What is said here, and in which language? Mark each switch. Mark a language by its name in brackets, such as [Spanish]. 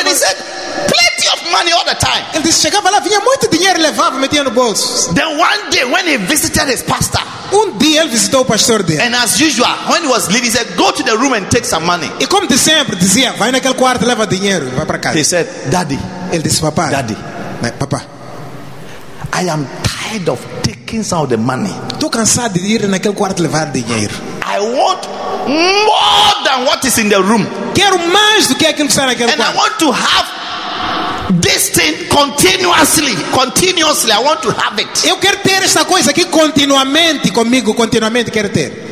[English] And he said, plenty of money all the time. [Portuguese] Ele disse, chegava lá, vinha muito dinheiro, levava, metia no bolso. [English] Then one day when he visited his pastor. [Portuguese] Dia ele visitou o pastor dele. [English] And as usual, when he was leaving, he said, go to the room and take some money. [Portuguese] E como de sempre, dizia, vai naquele quarto, leva dinheiro, vai para casa. [English] He said, daddy. [Portuguese] Ele disse, papá. [English] Daddy. [Portuguese] Papá. [English] I am tired of taking some of the money. [Portuguese] Tô cansado de ir naquele quarto levar dinheiro. [English] I I want more than what is in the room. [Portuguese] Quero mais do que aquilo que está naquele quarto. [English] And I want to have this thing continuously. I want to have it. [Portuguese] Eu quero ter esta coisa aqui continuamente comigo, continuamente quero ter.